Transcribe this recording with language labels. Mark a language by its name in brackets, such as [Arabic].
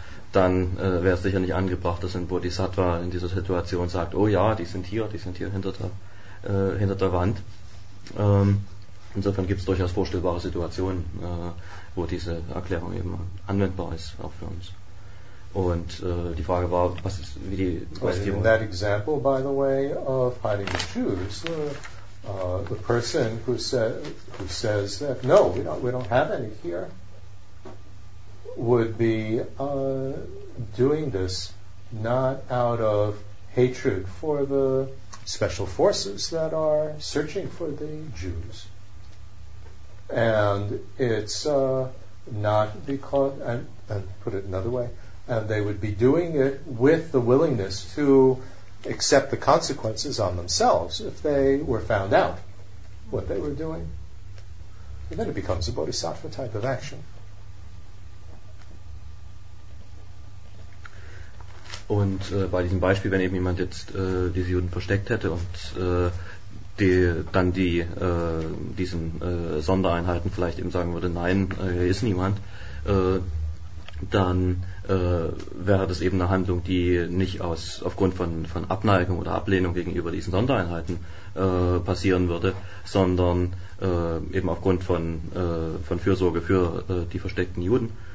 [German] Dann wäre es sicher nicht angebracht, dass ein Bodhisattva in dieser Situation sagt, oh ja, die sind hier hinter der Wand. Insofern gibt es durchaus vorstellbare Situationen, wo diese Erklärung eben anwendbar ist, auch für uns. Und die Frage war, was ist, wie die [English] Question. In that example, by the way, of hiding the shoes, the person who says that no, we don't have any here, would be doing this not out of hatred for the special forces that are searching for the Jews. And it's not because, and put it another way, and they would be doing it with the willingness to accept the consequences on themselves if they were found out what they were doing. And then it becomes a bodhisattva type of action. [German] Und bei diesem Beispiel, wenn eben jemand jetzt diese Juden versteckt hätte und diesen Sondereinheiten vielleicht eben sagen würde, nein, hier ist niemand, dann wäre das eben eine Handlung, die nicht aufgrund von Abneigung oder Ablehnung gegenüber diesen Sondereinheiten passieren würde, sondern eben aufgrund von Fürsorge für die versteckten Juden.